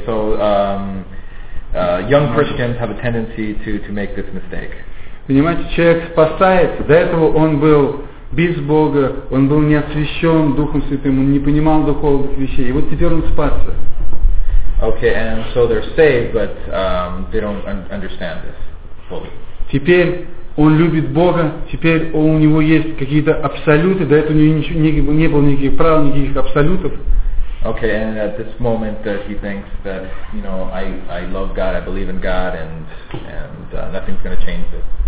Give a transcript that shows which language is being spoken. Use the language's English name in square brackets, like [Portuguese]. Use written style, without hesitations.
[English] So, young Christians have a tendency to make this mistake. [Russian] Понимаете, человек спасается. До этого он был без Бога, он был не освящен Духом Святым, он не понимал духовных вещей. И вот теперь он спасся. [English] Okay, and so they're saved, but they don't understand this fully. [Russian] Теперь он любит Бога, теперь у него есть какие-то абсолюты, до этого у него ничего, не было никаких прав, никаких абсолютов. [English] Okay, and at this moment that he thinks that, you know, I love God, I believe in God, and nothing's going to change this.